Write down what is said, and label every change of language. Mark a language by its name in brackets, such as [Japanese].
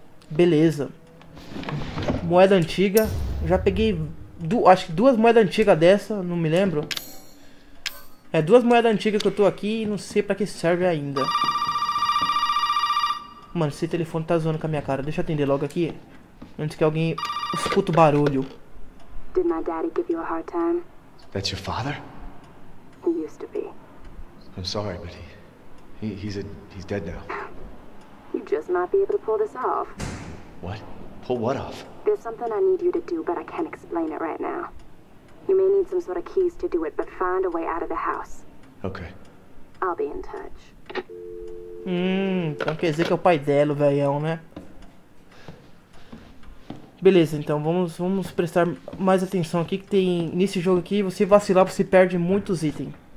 [Portuguese] Beleza. Moeda antiga. Já peguei... acho que duas moedas antigas dessa, não me lembro. É duas moedas antigas que eu tô aqui e não sei pra que serve ainda. Mano, esse telefone tá zoando com a minha cara. Deixa eu atender logo aqui. Antes que alguém escuta o barulho. [English] Did my daddy give you a hard time? That's your father? He used to be. I'm sorry, but he's dead now. You just might be able to pull this off. What? Pull what off? There's something I need you to do, but I can't explain it right now. You may need some sort of keys to do it, but find a way out of the house. Okay. I'll be in touch. [Portuguese] Então quer dizer que é o pai dela, o velhão, né? Beleza, então vamos prestar mais atenção aqui que tem nesse jogo aqui, você vacilar, você perde muitos itens.